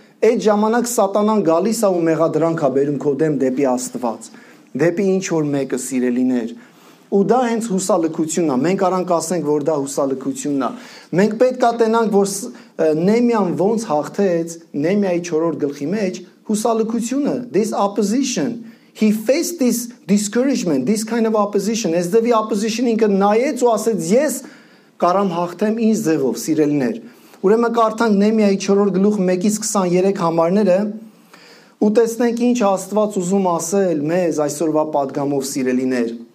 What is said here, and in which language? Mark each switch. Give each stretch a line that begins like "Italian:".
Armenian: այդ ժամանակ Սատանան գալիս է ու մեղադրանք է բերում քո դեմ դեպի Աստված, դեպի ինչ որ մեկը սիրելիներ։ Ու դա հենց հուսալքությունն է։ Մենք առանց ասենք, որ դա հուսալքությունն է։ Մենք պետք է տենանք, որ Նեմյան ոնց հաղթեց Նեմյայի 4-րդ գլխի մեջ հուսալքությունը,
English: this opposition. He faced this discouragement, this kind of opposition.
Armenian: Ես դեպի opposition ինքը նայեց ու ասեց, ես կարամ հաղթեմ ինձ ձևով, սիրելիներ։ Ուրեմն կարդանք Նեմյայի 4-րդ գլուխ 1-23 համարները ու տեսնենք ինչ Աստված ուզում ասել մեզ այսօրվա պատգամով, սիրելիներ։